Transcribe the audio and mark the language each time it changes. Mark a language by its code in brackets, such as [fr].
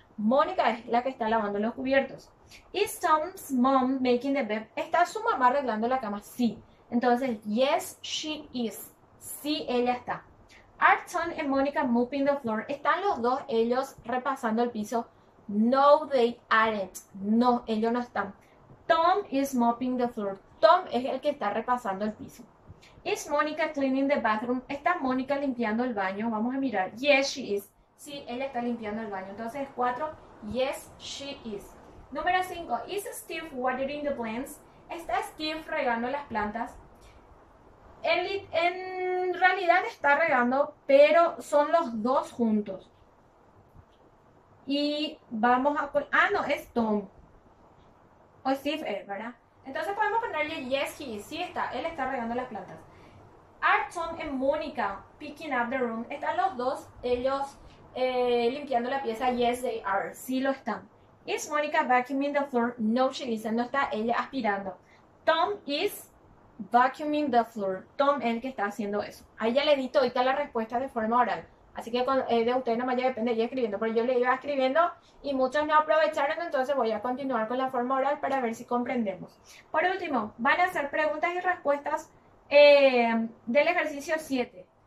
[es] Mónica es la que está lavando los cubiertos. [en] Is Tom's mom making the bed? [es] ¿Está su mamá arreglando la cama? Sí. Entonces, yes, she is. Sí, ella está. [en] Are Tom and Mónica mopping the floor? [es] ¿Están los dos ellos repasando el piso? No, they aren't. No, ellos no están. [en] Tom is mopping the floor. [es] Tom es el que está repasando el piso. Is Mónica cleaning the bathroom? ¿Está Mónica limpiando el baño? Vamos a mirar. Yes, she is. Sí, ella está limpiando el baño. Entonces, 4. Yes, she is. Número 5. [en] Is Steve watering the plants? [es] ¿Está Steve regando las plantas? En realidad está regando, pero son los dos juntos. Y vamos a. Ah, no, es Tom. O Steve es, ¿verdad? Entonces podemos ponerle yes, he is. Sí está, él está regando las plantas. [en] Are Tom and Monica picking up the room? [es] ¿Están los dos ellos limpiando la pieza? [en] Yes, they are. Sí lo están. Is Monica vacuuming the floor? No, she isn't. No está ella aspirando. Tom is Vacuuming the floor. [es] Tom es el que está haciendo eso. Ahí ya le di todita la respuesta de forma oral. Así que cuando, de usted nomás ya depende de ella escribiendo. Pero yo le iba escribiendo y muchos no aprovecharon. Entonces voy a continuar con la forma oral para ver si comprendemos. Por último, van a hacer preguntas y respuestas del ejercicio 7.